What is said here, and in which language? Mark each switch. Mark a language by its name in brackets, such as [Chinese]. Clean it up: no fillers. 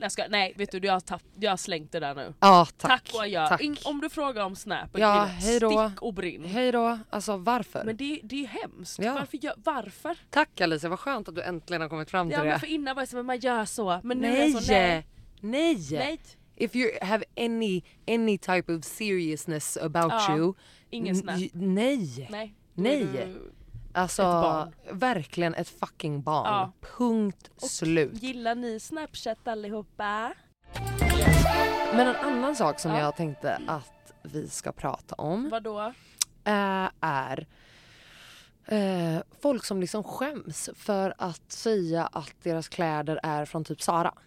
[Swedish] Jag ska, nej, vet du, jag har slängt det där nu. Ja, tack. Tack, jag. Tack. Om du frågar om snap, ja, hej då. Stick och brinn. Hej då, alltså varför? Men det är hemskt. Ja. Varför? Tack Alice, vad skönt att du äntligen har kommit fram till det. Ja, men för innan var det så, men man gör så. Men nej. Nu är det så, nej. [English] If you have any type of seriousness about you. [Swedish] Ingen snap. Nej. Alltså, verkligen ett fucking barn. Ja. Punkt slut. Och gillar ni Snapchat allihopa? Men en annan sak som jag tänkte att vi ska prata om. Vadå? Är folk som liksom skäms för att säga att deras kläder är från typ Zara.